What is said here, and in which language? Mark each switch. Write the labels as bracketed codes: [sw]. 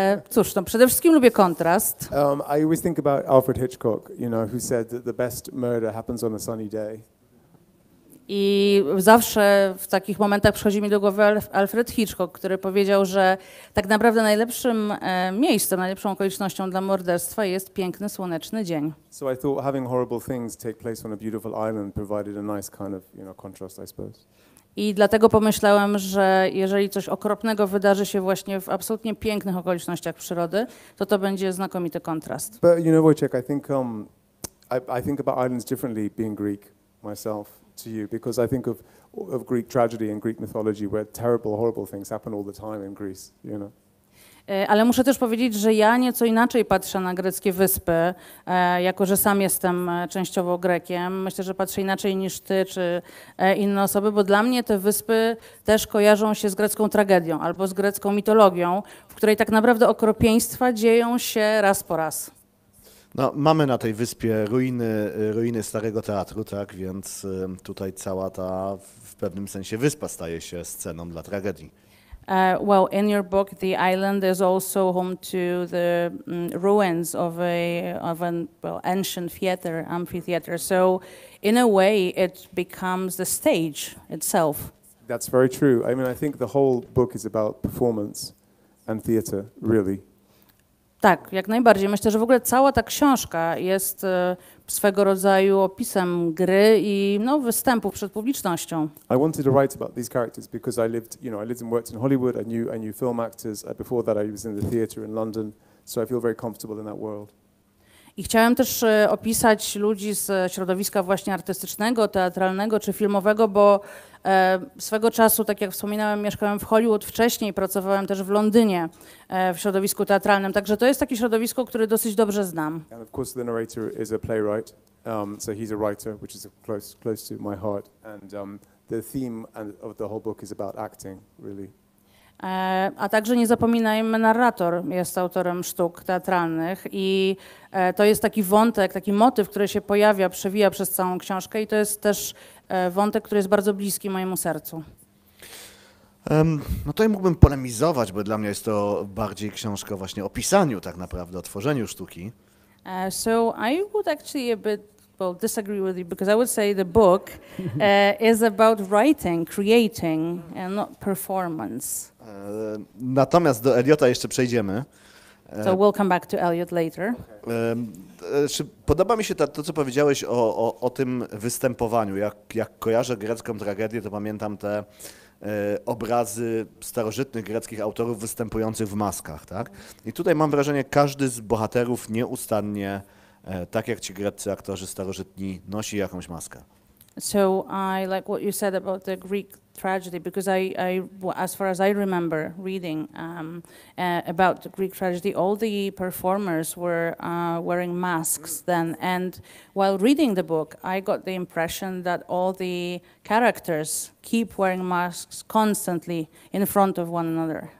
[pl] Cóż, no przede wszystkim lubię kontrast. [en] I always think about Alfred Hitchcock, you know, who said that the best murder happens on a sunny day. [pl] I zawsze w takich momentach przychodzi mi do głowy Alfred Hitchcock, który powiedział, że tak naprawdę najlepszym miejscem, najlepszą okolicznością dla morderstwa jest piękny słoneczny dzień. [en] So I thought having horrible things take place on a beautiful island provided a nice kind of, you know, contrast, I suppose. [pl] I dlatego pomyślałem, że jeżeli coś okropnego wydarzy się właśnie w absolutnie pięknych okolicznościach przyrody, to będzie znakomity kontrast. [en] But you know, Wojciech, I think about islands differently being Greek myself. To you, because I think of Greek tragedy and Greek mythology, where terrible, horrible things happen all the time in Greece. You know. [pl] Ale muszę też powiedzieć, że ja nieco inaczej patrzę na greckie wyspy, jako że sam jestem częściowo Grekiem. Myślę, że patrzę inaczej niż ty czy inne osoby, bo dla mnie te wyspy też kojarzą się z grecką tragedią albo z grecką mitologią, w której tak naprawdę okropieństwa dzieją się raz po raz. No, mamy na tej wyspie ruiny starego teatru, tak, więc tutaj cała ta w pewnym sensie wyspa staje się sceną dla tragedii. [en] Well, in your book, the island is also home to the ruins of an ancient theater, amphitheater. So, in a way, it becomes the stage itself. That's very true. I mean, I think the whole book is about performance and theater, really. [pl] Tak, jak najbardziej. Myślę, że w ogóle cała ta książka jest swego rodzaju opisem gry i no, występów przed publicznością. [en] I wanted to write about these characters because I lived, you know, I lived and worked in Hollywood. I knew film actors. Before that I was in the theater in London, so I feel very comfortable in that world. [pl] I chciałem też opisać ludzi z środowiska właśnie artystycznego, teatralnego czy filmowego, bo swego czasu, tak jak wspominałem, mieszkałem w Hollywood wcześniej, pracowałem też w Londynie w środowisku teatralnym. Także to jest takie środowisko, które dosyć dobrze znam. [en] And of course the narrator is a playwright, so he's a writer, which is close to my heart. And the theme of the whole book is about acting, really. [pl] A także nie zapominajmy, narrator jest autorem sztuk teatralnych i to jest taki wątek, taki motyw, który się pojawia, przewija przez całą książkę i to jest też wątek, który jest bardzo bliski mojemu sercu. No tutaj mógłbym polemizować, bo dla mnie jest to bardziej książka właśnie o pisaniu tak naprawdę, o tworzeniu sztuki. [en] So I would actually a bit disagree with you because I would say the book is about writing, creating and not performance. [pl] Natomiast do Eliota jeszcze przejdziemy. [en] So we'll come back to Eliot later. [pl] Czy podoba mi się to, co powiedziałeś o tym występowaniu. Jak kojarzę grecką tragedię, to pamiętam te obrazy starożytnych greckich autorów występujących w maskach. Tak? I tutaj mam wrażenie, każdy z bohaterów nieustannie, tak jak ci greccy aktorzy starożytni, nosi jakąś maskę. [en] So I like what you said about the Greek tragedy, because I as far as I remember reading about the Greek tragedy, all the performers were wearing masks then. And while reading the book, I got the impression that all the characters keep wearing masks constantly in front of one another.